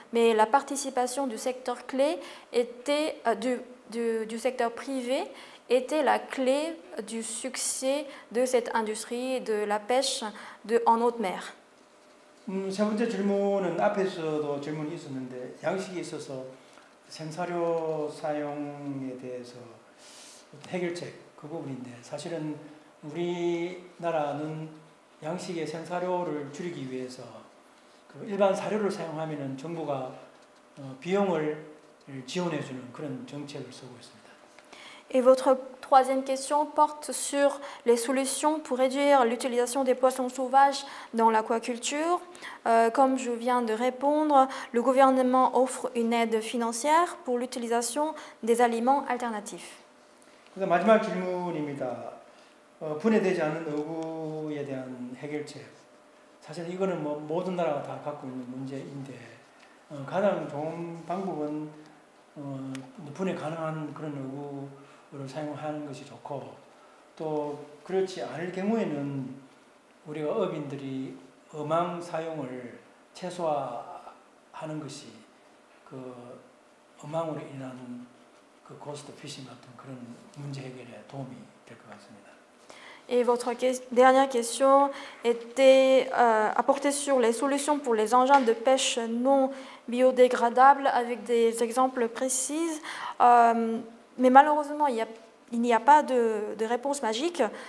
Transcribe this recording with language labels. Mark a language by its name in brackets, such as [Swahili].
[French] Mais la participation du secteur clé était du secteur privé était la clé du succès de cette industrie de la pêche en haute mer. [Korean] 세 번째 질문은 앞에서도 질문이 있었는데 양식에 있어서 생사료 사용에 대해서 해결책 그 부분인데 사실은 우리나라는 양식의 생사료를 줄이기 위해서 그 일반 사료를 사용하면은 정부가 비용을 지원해주는 그런 정책을 쓰고 있습니다. [French] Et votre troisième question porte sur les solutions pour réduire l'utilisation des poissons sauvages dans l'aquaculture. Comme je viens de répondre, le gouvernement offre une aide financière pour l'utilisation des aliments alternatifs. [Korean] 그다음 마지막 질문입니다. 분해되지 않는 어구에 대한 해결책. 사실 이거는 뭐 모든 나라가 다 갖고 있는 문제인데 가장 좋은 방법은 분해 가능한 그런 어구를 사용하는 것이 좋고 또 그렇지 않을 경우에는 우리가 업인들이 어망 사용을 최소화하는 것이 그 어망으로 인한 그 고스트 피싱 같은 그런 문제 해결에 도움이 될 것 같습니다. [French] Et votre dernière question était apportée sur les solutions pour les engins de pêche non biodégradables avec des exemples précis. Mais malheureusement, il n'y a pas de réponse magique.